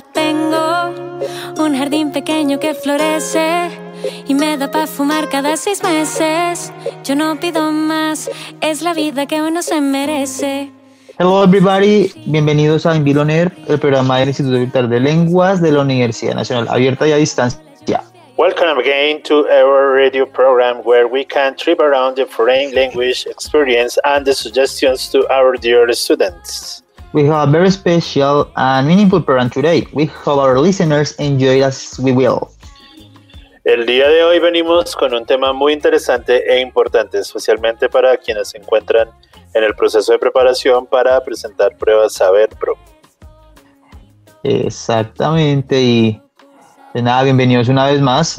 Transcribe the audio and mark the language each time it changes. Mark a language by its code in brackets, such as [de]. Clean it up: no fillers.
[es] Tengo un jardín pequeño que florece y me da pa' fumar cada 6 meses. Yo no pido más, es la vida que uno se merece. [en] Hello everybody, [es] bienvenidos a In Billionaire, el programa del Instituto Virtual de Lenguas de la Universidad Nacional Abierta y a Distancia. [en] Welcome again to our radio program where we can trip around the foreign language experience and the suggestions to our dear students. We have a very special and meaningful program today. We hope our listeners enjoy as we will. [es] El día de hoy venimos con un tema muy interesante e importante, especialmente para quienes se encuentran en el proceso de preparación para presentar pruebas Saber Pro. Exactamente, y de nada, bienvenidos una vez más.